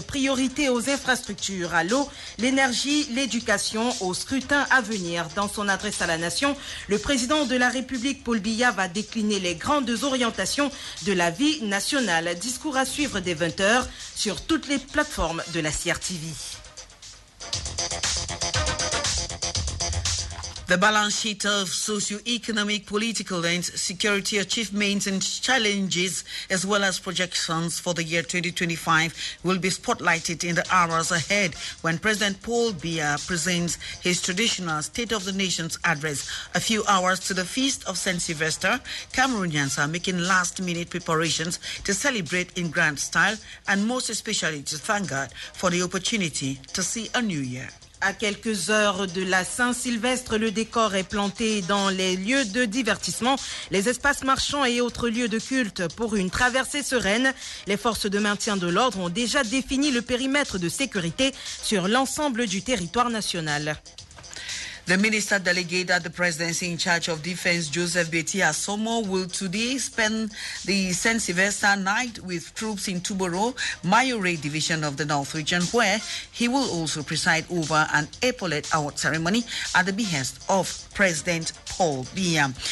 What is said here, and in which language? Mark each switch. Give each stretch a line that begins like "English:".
French: Priorité aux infrastructures, à l'eau, l'énergie, l'éducation, au scrutin à venir. Dans son adresse à la nation, le président de la République, Paul Biya, va décliner les grandes orientations de la vie nationale. Discours à suivre dès 20h sur toutes les plateformes de la CRTV.
English: The balance sheet of socio-economic, political and security achievements and challenges, as well as projections for the year 2025, will be spotlighted in the hours ahead when President Paul Biya presents his traditional State of the Nation's address. A few hours to the Feast of Saint Sylvester, Cameroonians are making last-minute preparations to celebrate in grand style and most especially to thank God for the opportunity to see a new year.
French: À quelques heures de la Saint-Sylvestre, le décor est planté dans les lieux de divertissement, les espaces marchands et autres lieux de culte pour une traversée sereine. Les forces de maintien de l'ordre ont déjà défini le périmètre de sécurité sur l'ensemble du territoire national.
English: The minister delegate at the presidency in charge of defense, Joseph Betty Assomo, will today spend the Saint Sylvester night with troops in Touboro, Mayoreï Division of the North Region, where he will also preside over an epaulette award ceremony at the behest of President Paul Biya.